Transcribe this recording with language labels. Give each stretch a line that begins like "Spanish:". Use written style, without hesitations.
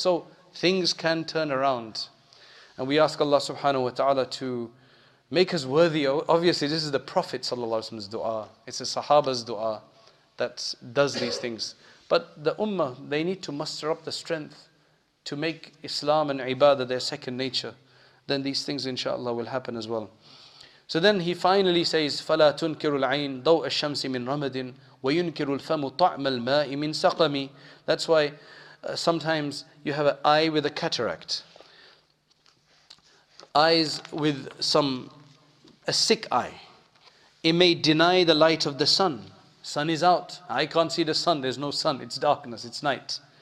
English: So things can turn around. And we ask Allah subhanahu wa ta'ala to make us worthy. Obviously, this is the Prophet sallallahu alaihi wasallam's dua. It's a Sahaba's dua that does these things. But the Ummah, they need to muster up the strength to make Islam and Ibadah their second nature. Then these things, inshallah, will happen as well. So then he finally says,
Arabic: فَلَا تُنْكِرُ الْعَيْنِ ضَوْءَ الشَّمْسِ مِنْ رَمَدٍ وَيُنْكِرُ الْفَمُ طَعْمَ الْمَاءِ مِنْ سَقَمِ.
English: That's why sometimes you have an eye with a cataract. Eyes with a sick eye. It may deny the light of the sun. Sun is out. I can't see the sun. There's no sun. It's darkness. It's night.